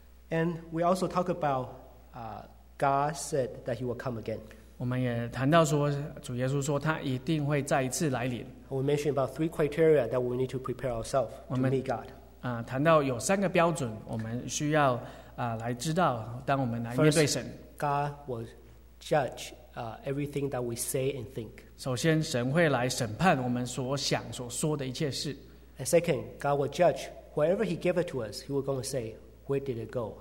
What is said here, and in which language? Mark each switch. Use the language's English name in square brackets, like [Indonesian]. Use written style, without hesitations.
[English] And we also talk about God said that he will come again. [Chinese] 我们也谈到说，主耶稣说他一定会再一次来临。 [English] We mentioned about three criteria that we need to prepare ourselves to meet God. [Chinese] 谈到有三个标准，我们需要来知道，当我们来面对神。 [English] God will judge everything that we say and think. [Chinese] 首先，神会来审判我们所想所说的一切事。 [English] And second, God will judge whatever he gave it to us, he will going to say, where did it go?